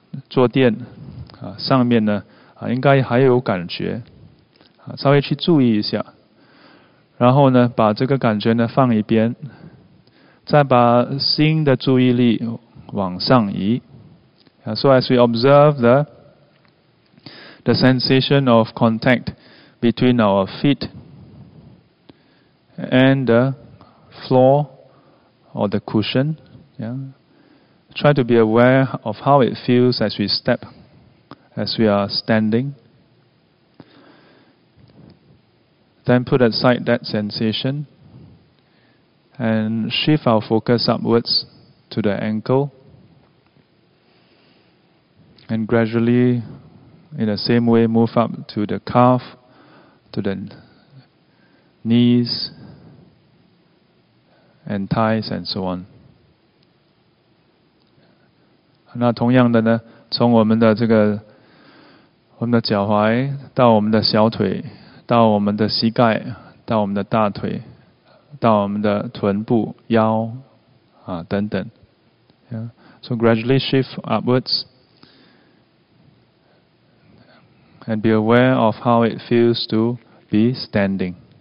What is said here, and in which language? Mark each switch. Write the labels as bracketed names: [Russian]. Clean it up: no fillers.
[Chinese] 坐垫上面呢，应该还有感觉，稍微去注意一下，然后呢，把这个感觉呢放一边，再把心的注意力往上移。 [English] So as we observe the sensation of contact between our feet and the floor or the cushion, yeah, try to be aware of how it feels as we step, as we are standing. Then put aside that sensation and shift our focus upwards to the ankle, and gradually in the same way move up to the calf, to the knees and thighs and so on. [Chinese] 那同样的呢，从我们的这个我们的脚踝到我们的小腿，到我们的膝盖，到我们的大腿，到我们的臀部、腰啊等等。 [English] Yeah. So gradually shift upwards and be aware of how it feels to be standing.